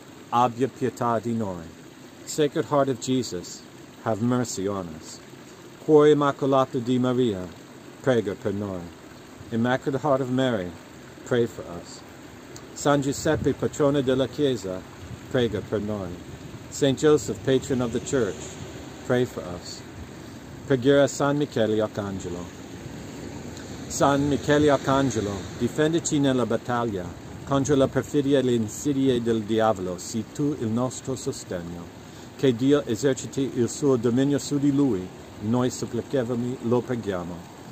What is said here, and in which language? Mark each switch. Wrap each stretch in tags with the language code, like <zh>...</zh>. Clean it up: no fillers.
<it>abbia pietà di noi.</it> <en>Sacred Heart of Jesus, have mercy on us.</en> <it>Cuore Immacolato di Maria, prega per noi.</it> <en>Immaculate Heart of Mary, pray for us.</en> <it>San Giuseppe, Patrono della Chiesa, prega per noi.</it> <en>Saint Joseph, Patron of the Church, pray for us.</en> <it>Preghiera San Michele Arcangelo. San Michele Arcangelo, difendici nella battaglia contro la perfidia e le insidie del diavolo, sii tu il nostro sostegno. Che Dio eserciti il suo dominio su di lui, noi supplichevami lo preghiamo.</it>